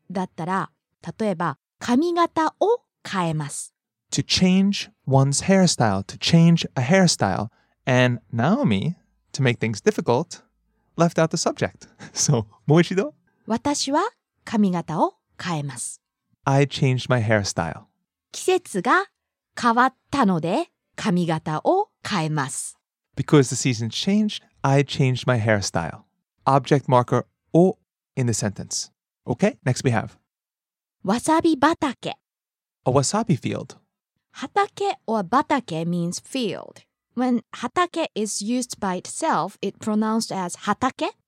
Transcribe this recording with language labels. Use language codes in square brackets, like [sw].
[ja] だったら、例えば、髪型を変えます。 [en] To change one's hairstyle, to change a hairstyle. And Naomi, to make things difficult, left out the subject. [ja] So, もう一度。私は髪型を変えます。 [en] I changed my hairstyle. [ja] 季節が変わったので、髪型を変えます。 [en] Because the season changed, I changed my hairstyle. Object marker を in the sentence. Okay, next we have. [ja] Wasabi batake. [en] A wasabi field. Hatake or batake means field. When hatake is used by itself, it's pronounced as hatake.